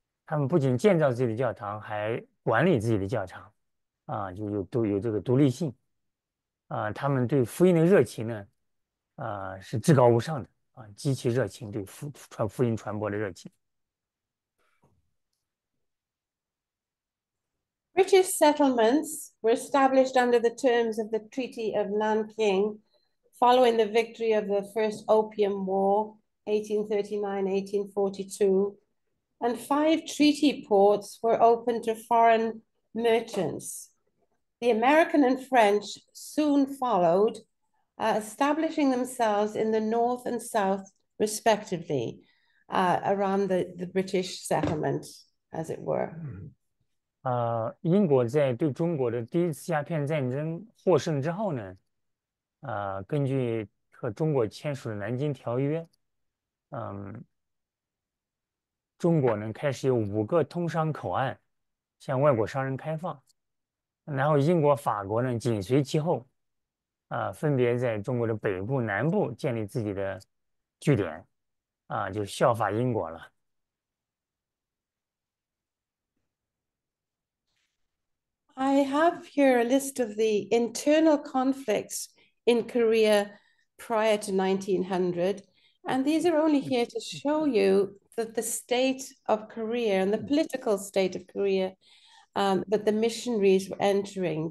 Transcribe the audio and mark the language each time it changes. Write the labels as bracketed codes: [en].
[zh] 他们不仅建造自己的教堂，还管理自己的教堂，就有这个独立性。他们对福音的热情呢，是至高无上的啊，极其热情，对福音传播的热情。 [en] British settlements were established under the terms of the Treaty of Nanking following the victory of the First Opium War, 1839-1842, and five treaty ports were opened to foreign merchants. The American and French soon followed, establishing themselves in the North and South, respectively, around the British settlement, as it were. [zh] 英国在对中国的第一次鸦片战争获胜之后呢，根据和中国签署的《南京条约》，中国呢开始有5个通商口岸向外国商人开放，然后英国、法国呢紧随其后，分别在中国的北部、南部建立自己的据点，就效法英国了。 [en] I have here a list of the internal conflicts in Korea prior to 1900, and these are only here to show you that the state of Korea and the political state of Korea that the missionaries were entering.